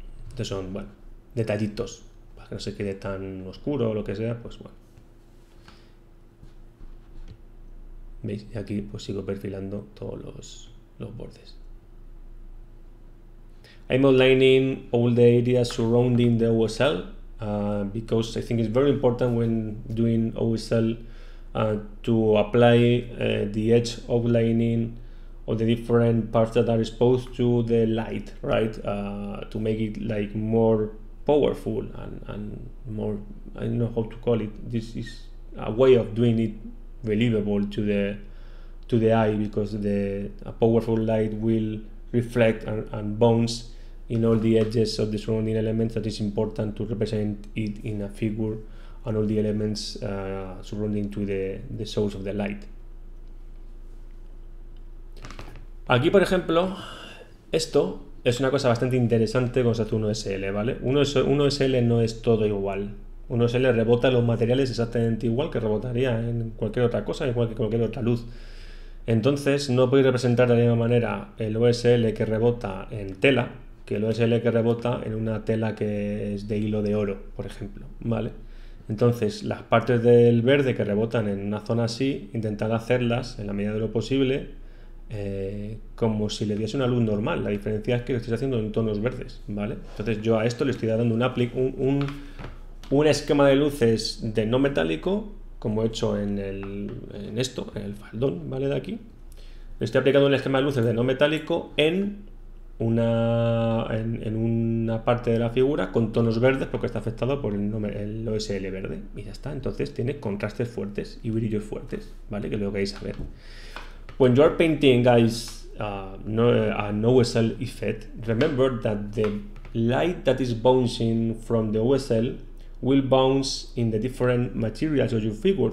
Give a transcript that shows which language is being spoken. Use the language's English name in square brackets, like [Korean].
[Spanish] Entonces son, bueno, detallitos, para que no se quede tan oscuro o lo que sea, pues bueno. ¿Veis? Y aquí pues sigo perfilando todos los bordes. [English] I'm outlining all the areas surrounding the OSL because I think it's very important when doing OSL to apply the edge outlining of the different parts that are exposed to the light, right? To make it like more powerful and more, I don't know how to call it. This is a way of doing it believable to the eye, because a powerful light will reflect and bounce in all the edges of the surrounding elements. That is important to represent it in a figure and all the elements surrounding to the source of the light. [Spanish] Aquí, por ejemplo, esto es una cosa bastante interesante cuando se hace un OSL, ¿vale? Un OSL no es todo igual. Un OSL rebota los materiales exactamente igual que rebotaría en cualquier otra cosa, igual que cualquier otra luz. Entonces, no podéis representar de la misma manera el OSL que rebota en tela que el OSL que rebota en una tela que es de hilo de oro, por ejemplo, ¿vale? Entonces, las partes del verde que rebotan en una zona así, intentad hacerlas en la medida de lo posible como si le diese una luz normal. La diferencia es que lo estoy haciendo en tonos verdes, ¿vale? Entonces, yo a esto le estoy dando un esquema de luces de no metálico, como he hecho en el faldón, ¿vale? De aquí. Le estoy aplicando un esquema de luces de no metálico en una parte de la figura con tonos verdes, porque está afectado por el OSL verde. Y ya está. Entonces tiene contrastes fuertes y brillos fuertes, ¿vale? Que lo vais a ver. [English] When you are painting, guys, an OSL effect, remember that the light that is bouncing from the OSL will bounce in the different materials of your figure.